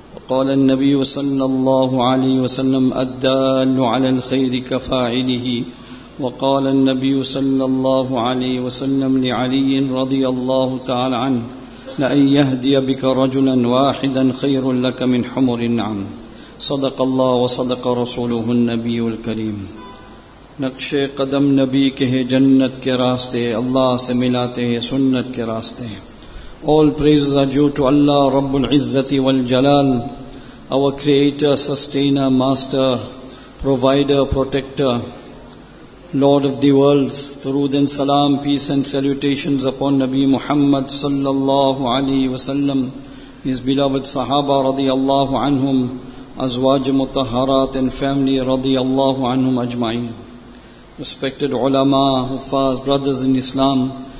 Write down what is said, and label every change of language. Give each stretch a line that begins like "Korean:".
Arabic: وقال النبي صلى الله عليه وسلم الدال على الخير كفاعله. وقال النبي صلى الله عليه وسلم لعلي رضي الله تعالى عنه لأن يهدي بك رجلا واحدا خير لك من حمر النعم. صدق الله وصدق رسوله النبي الكريم.
Urdu: نقش قدم نبی کے ہے جنت کے راستے, اللہ سے ملاتے ہیں سنت کے راستے.
English: All praises are due to Allah
Arabic: رب العزت والجلال,
English: our creator, sustainer, master, provider, protector, Lord of the worlds. Durood and salam, peace and salutations upon Nabi Muhammad sallallahu alaihi wasallam, his beloved sahaba radiyallahu anhum, azwaj mutahharat and family radiyallahu anhum ajma'in, respected ulama, huffaz, brothers in Islam.